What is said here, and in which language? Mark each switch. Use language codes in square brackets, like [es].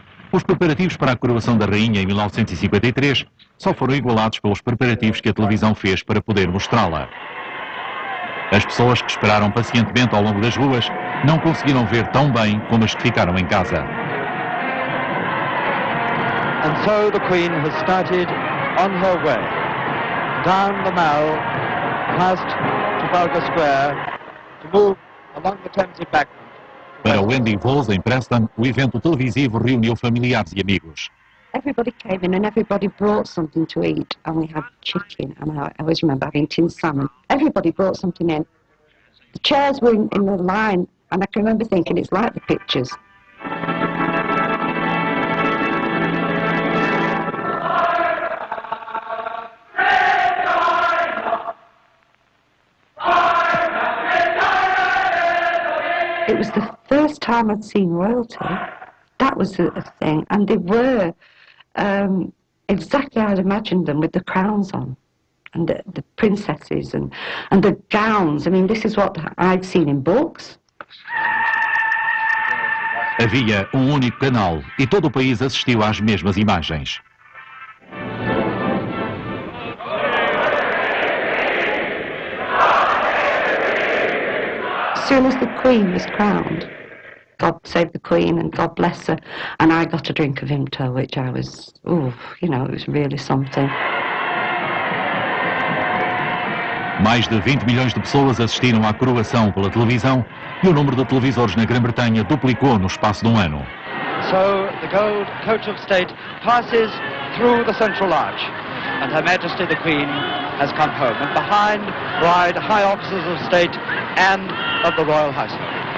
[pt] Os preparativos para a coroação da rainha em 1953 só foram igualados pelos preparativos que a televisão fez para poder mostrá-la. As pessoas que esperaram pacientemente ao longo das ruas não conseguiram ver tão bem como as que ficaram em casa. [en] And so the Queen has started on her way down the Mall, past Trafalgar Square, to move among the Thames embankment. [pt] Para Wendy Vos, em Preston, o evento televisivo reuniu familiares e amigos. [en] Everybody came in and everybody brought something to eat. And we had chicken. And I always remember having tinned salmon. Everybody brought something in. The chairs were in the line. And I can remember thinking, it's like the pictures. It was the first time I'd seen royalty. That was the thing. And they were exactly how I'd imagined them, with the crowns on and the princesses and the gowns. I mean, this is what I'd seen in books. [pt] Havia único canal e todo o país assistiu às mesmas imagens. [en] As soon as the Queen was crowned, God save the Queen and God bless her, and I got a drink of Imto, which I was, it was really something. [pt] Mais de 20 milhões de pessoas assistiram à coroação pela televisão e o número de televisores na Grã-Bretanha duplicou no espaço de um ano. [en] So the gold coach of state passes through the central arch, and Her Majesty the Queen has come home, and behind ride high officers of state and of the Royal Household.